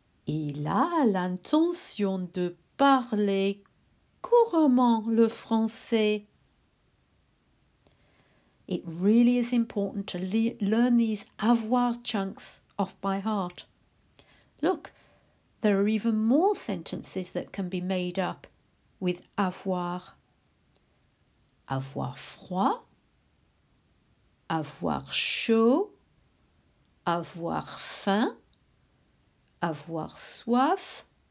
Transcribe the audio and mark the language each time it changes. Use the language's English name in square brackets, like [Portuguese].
[French] Il a l'intention de parler couramment le français. [English] It really is important to learn these avoir chunks off by heart. Look, there are even more sentences that can be made up with avoir. [French] Avoir froid, avoir chaud, avoir faim, avoir soif.